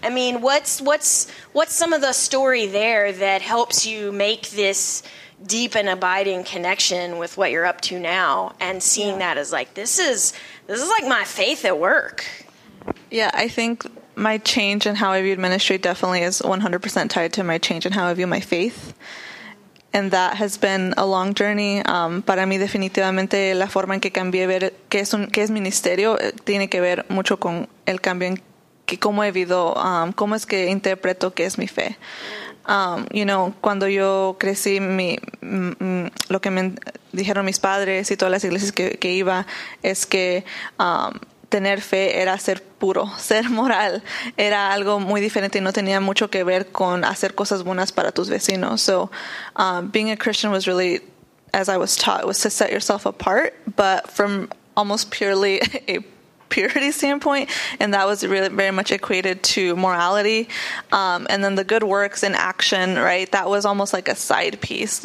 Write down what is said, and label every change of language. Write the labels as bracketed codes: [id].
[en] I mean, what's some of the story there that helps you make this deep and abiding connection with what you're up to now, and seeing that as, like, this is like my faith at work? Yeah, I think my change in how I viewed ministry definitely is 100% tied to my change in how I view my faith. And that has been a long journey. [es] Para mí, definitivamente, la forma en que cambié ver qué es ministerio tiene que ver mucho con el cambio en que cómo he vivido, cómo es que interpreto qué es mi fe. [en] You know, [es] cuando yo crecí, lo que me dijeron mis padres y todas las iglesias que iba es que tener fe era ser puro, ser moral. Era algo muy diferente y no tenía mucho que ver con hacer cosas buenas para tus vecinos. [en] So, being a Christian was really, as I was taught, was to set yourself apart, but from almost purely a purity standpoint, and that was really very much equated to morality. And then the good works in action, right? That was almost like a side piece.